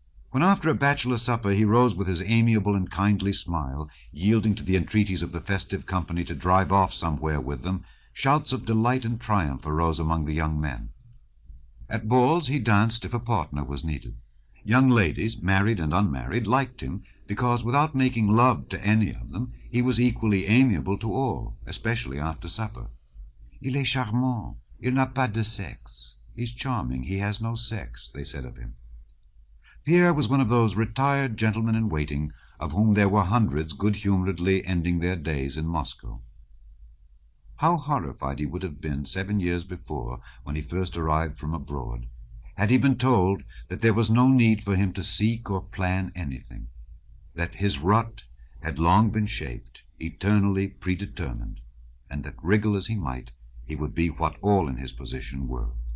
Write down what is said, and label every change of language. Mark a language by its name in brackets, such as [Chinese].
[English] When after a bachelor supper he rose with his amiable and kindly smile, yielding to the entreaties of the festive company to drive off somewhere with them, shouts of delight and triumph arose among the young men. At balls he danced if a partner was needed. Young ladies, married and unmarried, liked him, because without making love to any of them, he was equally amiable to all, especially after supper. [French] "Il est charmant, il n'a pas de sexe." [English] "He's charming, he has no sex," they said of him. Pierre was one of those retired gentlemen-in-waiting, of whom there were hundreds good-humoredly ending their days in Moscow. How horrified he would have been 7 years before, when he first arrived from abroad, had he been told that there was no need for him to seek or plan anything, that his rut had long been shaped, eternally predetermined, and that, wriggle as he might, he would be what all in his position were.